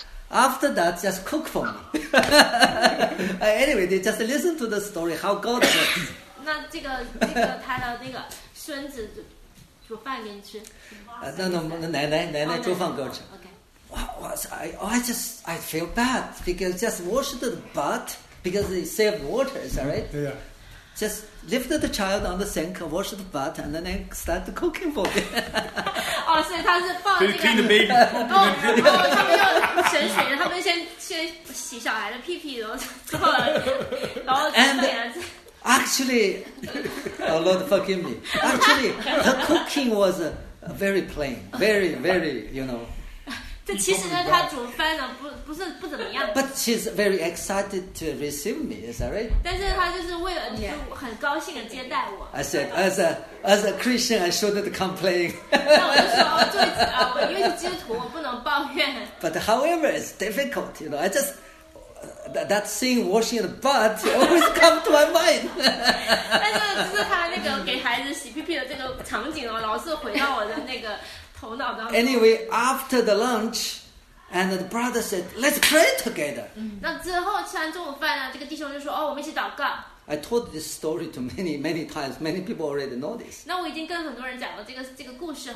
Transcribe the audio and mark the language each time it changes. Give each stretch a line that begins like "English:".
English: After that, just cook for me. anyway, they just listen to the story how God works.
Chinese: 那这个他的那个孙子煮饭给你吃。奶奶煮饭给我吃。
English: Okay. I feel bad because just wash the butt because they save water, is that right? Yeah. Just lift the child on the sink, wash the butt, and then start cooking for him.
Chinese: 哦，所以他是放这个。
English: Clean the baby.
Chinese: 哦，他们用神水，他们先洗小孩的屁屁，然后做了，然后。
English: And actually, Oh, Lord, forgive me. Actually, her cooking was very plain. Very, very, you know.
Chinese: 这其实她煮饭呢 不怎么样。
English: But she's very excited to receive me, is that right?
Chinese: 但是她就是为了你很高兴地接待我。
English: I said, as a Christian, I shouldn't complain.
Chinese: 那我就说，哦，对，因为是基督徒，我不能抱怨。
English: But however, it's difficult, you know, I just... That thing washing the butt always come to my mind.
Chinese: 但是他那个给孩子洗屁屁的这个场景哦，老是回到我的那个头脑当中。
English: Anyway, after the lunch, and the brother said, "Let's pray together."
Chinese: 那之后吃完中午饭呢，这个弟兄就说，哦，我们一起祷告。
English: I told this story to many, many times. Many people already know this.
Chinese: 那我已经跟很多人讲了这个故事。